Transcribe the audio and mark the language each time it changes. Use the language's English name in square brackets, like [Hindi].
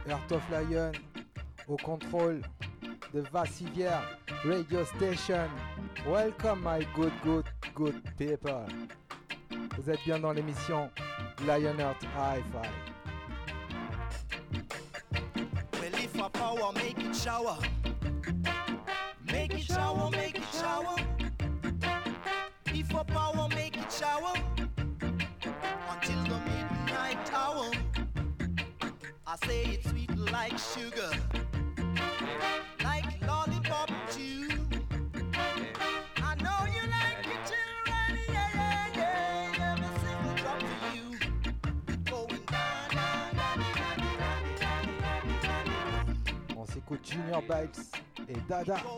[French] Of Lion au contrôle de Vassivière Radio Station. [English] Welcome my good good good people. [French] Vous êtes bien dans l'émission Lion Earth Hi-Fi. [English] Well, if I power, make it shower. Make it shower, make it shower. If I power, make it shower. Until the midnight hour. I say it's sweet like sugar, like lollipop too. I know you like it, children, yeah, yeah, yeah. Every single drop for you. It's going down, down, down, down, down, down. [French] On s'écoute Junior Bites et Dada.